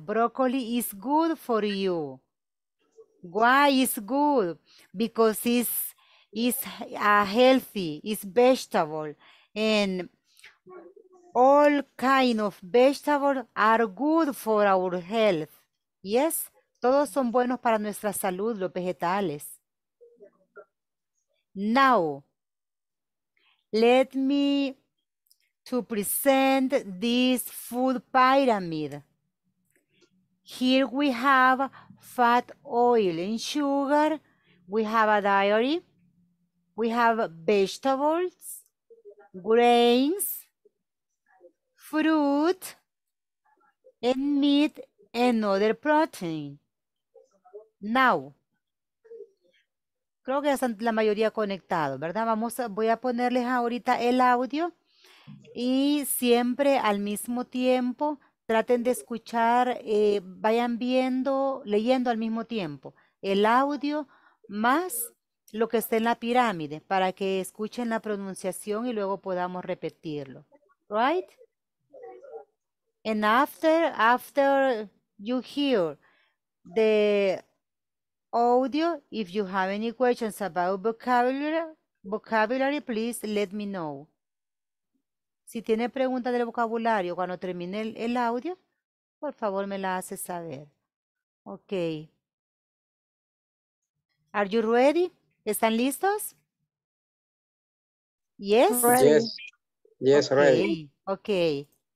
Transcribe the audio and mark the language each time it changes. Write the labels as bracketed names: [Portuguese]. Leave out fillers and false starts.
[English] Broccoli is good for you. Why is good? Because it's healthy, it's vegetable. And all kind of vegetables are good for our health. [Spanish] Yes, todos son buenos para nuestra salud, los vegetales. [English] Now, let me to present this food pyramid. Here we have fat, oil, and sugar. We have a dairy. We have vegetables, grains, fruit, and meat, and other protein. [Spanish] Now, creo que están la mayoría conectados, ¿verdad? Voy a ponerles ahorita el audio. Y siempre al mismo tiempo, traten de escuchar, vayan viendo, leyendo al mismo tiempo el audio más lo que está en la pirámide para que escuchen la pronunciación y luego podamos repetirlo. [English] Right? And after you hear the audio, if you have any questions about vocabulary, please let me know. [Spanish] Si tiene preguntas del vocabulario cuando termine el audio, por favor me la hace saber. [English] Ok. Are you ready? [Spanish] ¿Están listos? [English] Yes? Ready. Yes. Yes, okay. Ready.